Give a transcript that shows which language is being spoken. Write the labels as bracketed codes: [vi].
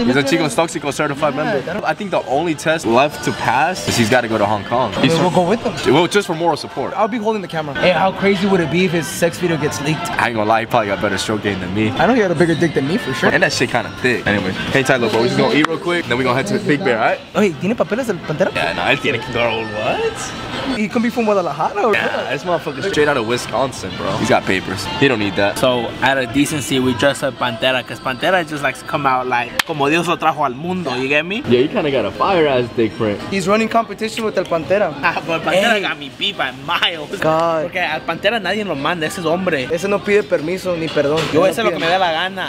[en] He's a Chicos Toxico certified member. I think the only test left to pass is he's got to go to Hong Kong. We'll go with him. Well, just for moral support. I'll be holding the camera. Hey, how crazy would it be if his sex video gets leaked? I ain't gonna lie, he probably got better stroke game than me. I know he had a bigger dick than me, for sure. And that shit kind of thick. Anyway, hey, Tylo, bro, we're just gonna eat real quick, then we're gonna head to the Big Bear, all right? Wait, [es] ¿tiene papeles el Pantera? [en] Yeah, [es] no, él tiene que dar un [en] what? He could be from Guadalajara or yeah, this motherfucker straight out of Wisconsin, bro. He's got papers. He don't need that. So, out of decency, we dress up Pantera, because Pantera just likes to come out like, [es] como Dios lo trajo al mundo, [en] you get me? Yeah, he kind of got a fire-ass dick print. He's running competition with El Pantera. But Pantera got me beat by miles. God. [es] Porque al Pantera nadie lo manda, ese es hombre. Ese no pide permiso ni perdón. Yo, ese es lo que me da la gana.